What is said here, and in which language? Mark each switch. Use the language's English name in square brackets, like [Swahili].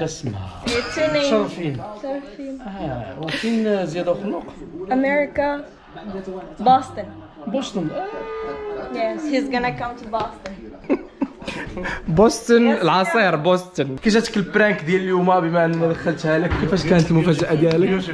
[Arabic] شنو سميتي جازمين بسمه بسمه شرفين وفين زيادة خلق امريكا Boston. [English] Boston. Yes, he's gonna come to Boston. [Arabic] بوستن العصير بوستن كي جاتك البرانك ديال اليوم بما ان دخلتها لك كيفاش كانت المفاجاه ديالك